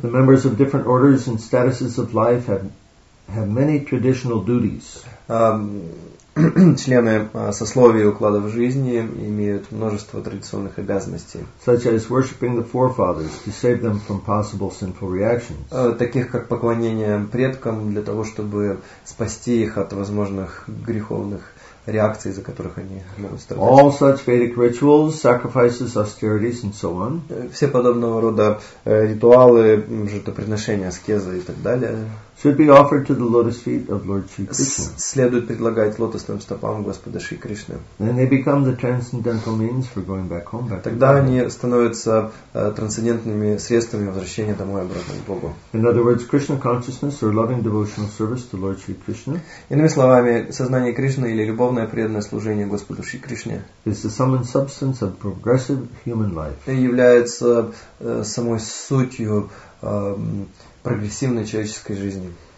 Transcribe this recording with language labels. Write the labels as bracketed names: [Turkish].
[English] the members of different orders and statuses of life have many traditional duties. [Russian] Члены сословий укладов жизни имеют множество традиционных обязанностей. [English] Such as worshiping the forefathers to save them from possible sinful reactions. [Russian] Таких как поклонение предкам для того, чтобы спасти их от возможных греховных реакции, за которых они могут страдать. [English] All such Vedic rituals, sacrifices, austerities, and so on. [Russian] Все подобного рода ритуалы, жертвоприношения, аскезы и так далее. [English] Should be offered to the lotus feet of Lord Shri Krishna. [Russian] Следует предлагать лотосным стопам Господа Шри Кришны. [English] Then they become the transcendental means for going back home. [Russian] Тогда они становятся трансцендентными средствами возвращения домой обратно к Богу. [English] In other words, Krishna consciousness or loving devotional service to Lord Shri Krishna. [Russian] Иными словами, сознание Кришны или любовное преданное служение Господу Шри Кришне. [English] Is the sum and substance of progressive human life. [Russian] Является самой сутью прогрессивной человеческой жизни.